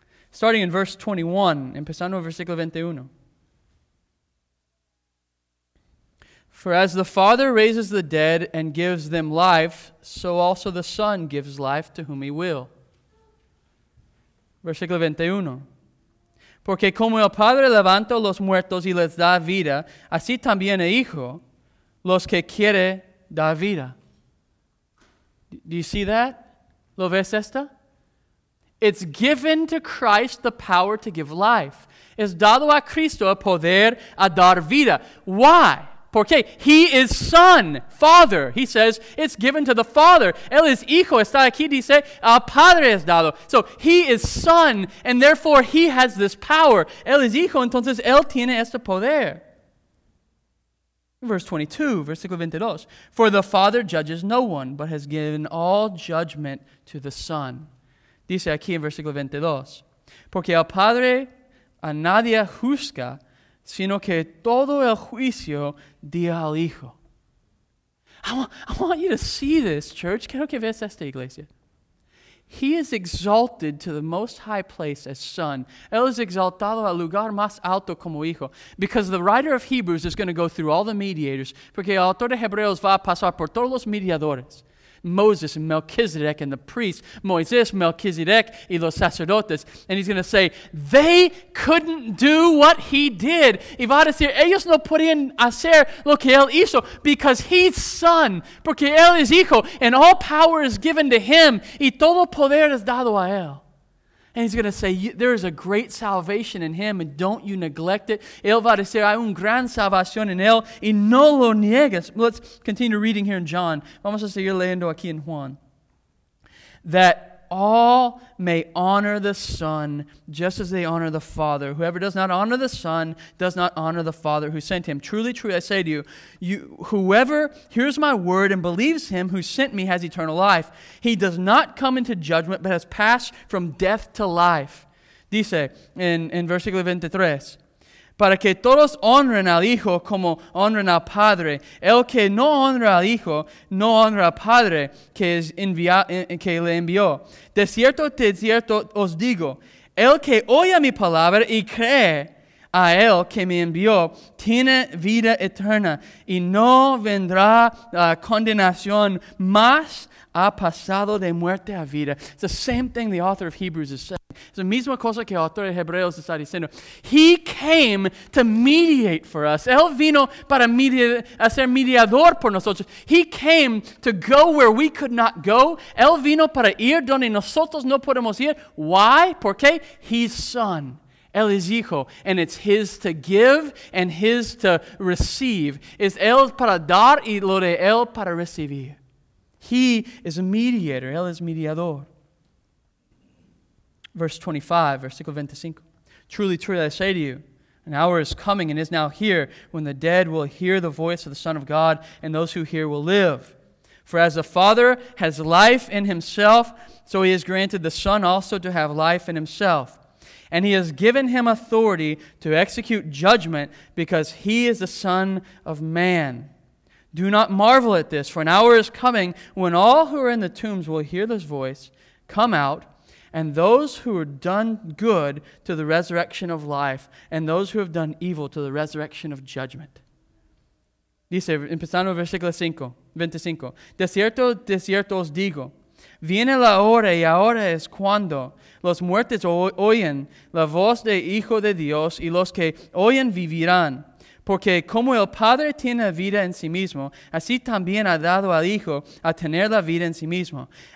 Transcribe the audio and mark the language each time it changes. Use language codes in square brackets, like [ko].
[en] Starting in verse 21, [es] empezando en versículo 21. [en] For as the Father raises the dead and gives them life, so also the Son gives life to whom he will. [es] Versículo 21. Porque como el Padre levanta los muertos y les da vida, así también el Hijo, los que quiere, da vida. [en] Do you see that? [es] ¿Lo ves esta? [en] It's given to Christ the power to give life. [es] Es dado a Cristo el poder a dar vida. [en] Why? Porque he is son, father. He says, it's given to the father. [es] Él es hijo, está aquí, dice, al padre es dado. [en] So he is son, and therefore he has this power. [es] Él es hijo, entonces él tiene este poder. [en] Verse 22, [es] versículo 22. [en] For the father judges no one, but has given all judgment to the son. [es] Dice aquí en versículo 22. Porque al padre a nadie juzga, sino que todo el juicio dio al Hijo. [en] I want you to see this, church. [es] Quiero que veas esta iglesia. [en] He is exalted to the most high place as son. [es] Él es exaltado al lugar más alto como hijo. [en] Because the writer of Hebrews is going to go through all the mediators. [es] Porque el autor de Hebreos va a pasar por todos los mediadores. [en] Moses and Melchizedek and the priests, [es] Moisés, Melchizedek y los sacerdotes. [en] And he's going to say, they couldn't do what he did. [es] Y va a decir, ellos no podían hacer lo que él hizo [en] because he's son, [es] porque él es hijo, [en] and all power is given to him [es] y todo poder es dado a él. [en] And he's going to say, there is a great salvation in him, and don't you neglect it. [es] Él va a decir, hay una gran salvación en él, y no lo niegues. [en] Let's continue reading here in John. [es] Vamos a seguir leyendo aquí en Juan. [en] That all may honor the Son, just as they honor the Father. Whoever does not honor the Son does not honor the Father who sent him. Truly, truly, I say to you, whoever hears my word and believes him who sent me has eternal life. He does not come into judgment, but has passed from death to life. [es] Dice in versículo 23, para que todos honren al Hijo como honren al Padre. El que no honra al Hijo, no honra al Padre que le envió. De cierto os digo, el que oye mi palabra y cree a él que me envió, tiene vida eterna y no vendrá la condenación, mas ha pasado de muerte a vida. [en] It's the same thing the author of Hebrews is saying. [es] Es la misma cosa que el autor de Hebreos está diciendo. [en] He came to mediate for us. [es] Él vino para ser mediador por nosotros. [en] He came to go where we could not go. [es] Él vino para ir donde nosotros no podemos ir. [en] Why? [es] ¿Por qué? [en] He's son. [es] Él es hijo. [en] And it's his to give and his to receive. [es] Es él para dar y lo de él para recibir. [en] He is a mediator. [es] Él es mediador. [en] Verse 25, [es] versículo 25. [en] Truly, truly, I say to you, an hour is coming and is now here when the dead will hear the voice of the Son of God and those who hear will live. For as the Father has life in himself, so he has granted the Son also to have life in himself. And he has given him authority to execute judgment because he is the Son of Man. Do not marvel at this, for an hour is coming when all who are in the tombs will hear this voice, come out, and those who have done good to the resurrection of life, and those who have done evil to the resurrection of judgment. [es] Dice, empezando versículo 25, de cierto os digo, viene la hora y ahora es cuando los muertos oyen la voz del Hijo de Dios y los que oyen vivirán. Porque como el Padre tiene vida en sí mismo, así también ha dado al Hijo a tener la vida en sí mismo.